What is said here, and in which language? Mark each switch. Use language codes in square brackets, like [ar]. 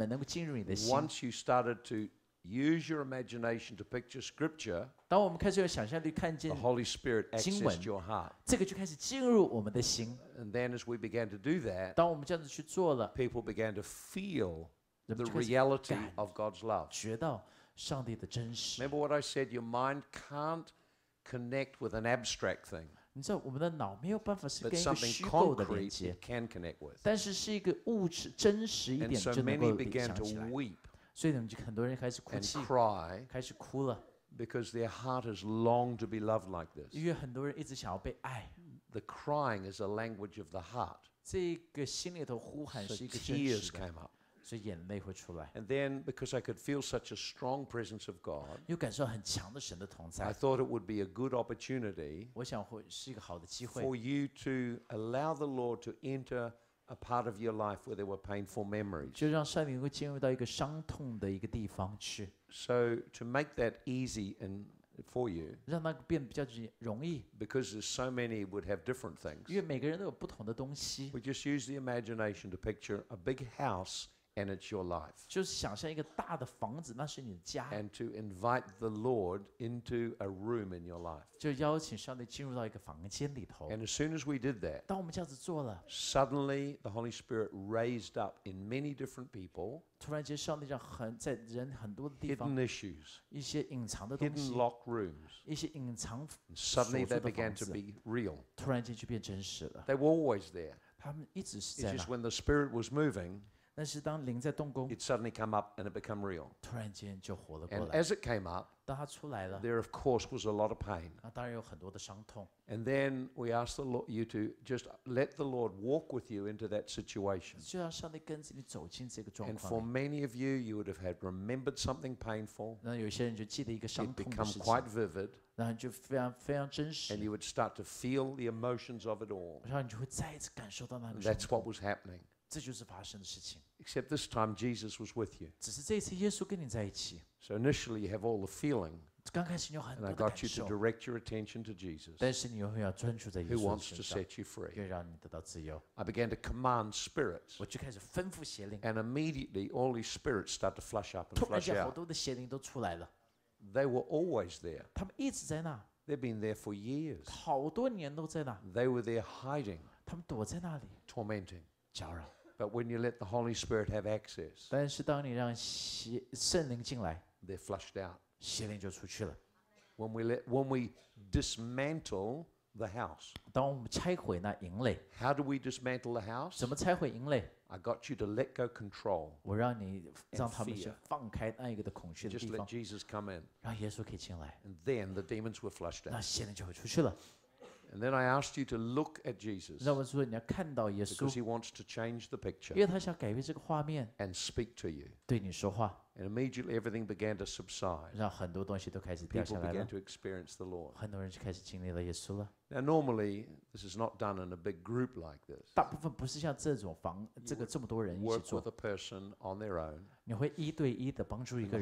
[en] Once you started to use your imagination to picture scripture, the Holy Spirit accessed your heart. And then as we began to do that, people began to feel the reality of God's love. Remember what I said, your mind can't connect with an abstract thing. [zh] 你知道我们的脑没有办法是跟一个虚构的连接, [en] but something concrete can connect with. [zh] 但是是一个物质真实一点, [en] and so many began to weep. [zh] 所以很多人开始哭泣, [en] and cry, [zh] 开始哭了, [en] because their heart has longed to be loved like this. [zh] 因为很多人一直想要被爱, [en] the crying is a language of the heart. [zh] 这个心里头呼喊是一个真实的, [en] so tears came up. And then, because I could feel such a strong presence of God, [zh] 又感受很强的神的同在, [en] I thought it would be a good opportunity for you to allow the Lord to enter a part of your life where there were painful memories. So to make that easy and for you, because there's so many would have different things, we just use the imagination to picture a big house And it's your life. [zh] 就是想象一个大的房子，那是你的家。 [en] And to invite the Lord into a room in your life. [zh] 就邀请上帝进入到一个房间里头。 [en] And as soon as we did that, [zh] 当我们这样子做了 [en] ，suddenly the Holy Spirit raised up in many different people. [zh] 突然间，上帝让很在人很多的地方 [en] ，hidden issues, [zh] 一些隐藏的东西 [en] ，hidden locked rooms, [zh] 一些隐藏 [en] suddenly they began to be real. [zh] 突然间就变真实了。 [en] They were always there. [zh] 他们一直是在那。 [en] It's just when the Spirit was moving. [zh] 但是当灵在动工 [en] it suddenly came up and it became real. [zh] 突然间就活了过来 [en] And as it came up, [zh] 当它出来了 [en] there of course was a lot of pain. [zh] 那当然有很多的伤痛 [en] And then we asked the Lord, you to just let the Lord walk with you into that situation. [zh] 就让上帝跟着你走进这个状况 [en] And for many of you, you would have had remembered something painful. [zh] 那有些人就记得一个伤痛的事情 [en] It became quite vivid. [zh] 然后就非常非常真实 [en] And you would start to feel the emotions of it all. [zh] 然后你就会再一次感受到那个伤痛 [en] That's what was happening. [zh] 这就是发生的事情。 [en] Except this time Jesus was with you. [zh] 只是这一次耶稣跟你在一起。 [en] So initially you have all the feeling. [zh] 刚开始你有很多的感受。 [en] And I got you to direct your attention to Jesus. [zh] 但是你永远要专注在耶稣身上。 [en] Who wants to set you free? [zh] 愿让你得到自由。 [en] I began to command spirits. [zh] 我就开始吩咐邪灵。 [en] And immediately all these spirits start to flush up and flush out. [zh] 突然间好多的邪灵都出来了。 [en] They were always there. [zh] 他们一直在那。 [en] They've been there for years. [zh] 好多年都在那。 [en] They were there hiding. [zh] 他们躲在那里。 [en] Tormenting. [zh] 搅扰。 [en] But when you let the Holy Spirit have access, [zh] 但是当你让圣灵进来 [en] they're flushed out. [zh] 邪灵就出去了 [en] When we dismantle the house, [zh] 当我们拆毁那营垒 [en] how do we dismantle the house? [zh] 怎么拆毁营垒 [en] I got you to let go control. [zh] 我让你让他们去放开那一个的恐惧的地方 [en] Just let Jesus come in. [zh] 让耶稣可以进来 [en] And then the demons were flushed out. [zh] 那邪灵就会出去了。 [en] And then I asked you to look at Jesus. [zh] 那我说你要看到耶稣 [en] because he wants to change the picture. [zh] 因为他想改变这个画面 [en] and speak to you. [zh] 对你说话 [en] and immediately everything began to subside. [zh] 让很多东西都开始掉下来了 [en] people began to experience the Lord. [zh] 很多人就开始经历了耶稣了 [en] Now normally this is not done in a big group like this. [zh] 大部分不是像这种房这个这么多人一起做 [en] work with a person on their own. [zh] 你会一对一的帮助一个人